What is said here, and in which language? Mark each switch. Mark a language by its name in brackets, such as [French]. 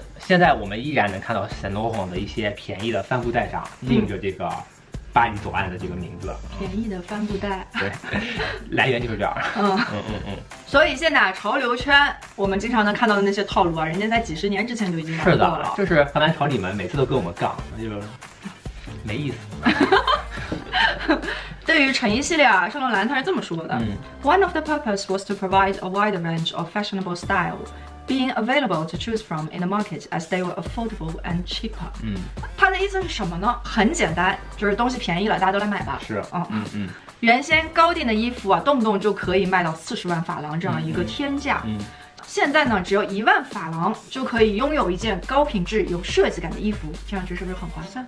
[Chinese] 现在我们依然能看到 Saint Laurent 的一些便宜的帆布袋上印着这个巴黎左岸的这个名字。便宜的帆布袋，对，来源就是这样。所以现在潮流圈我们经常能看到的那些套路啊，人家在几十年之前就已经玩过了。是的，就是河南潮里们每次都跟我们杠，那就没意思。对于成衣系列啊，圣罗兰他是这么说的， [English] One of the purpose was to provide a wide range of fashionable styleBeing available to choose from in the market as they were affordable and cheaper. [Chinese] 嗯，他的意思是什么呢？很简单，就是东西便宜了，大家都来买吧。是，原先高定的衣服啊，动不动就可以卖到40万法郎这样一个天价。嗯，现在呢，只要10000法郎就可以拥有一件高品质、有设计感的衣服，这样就是不是很划算？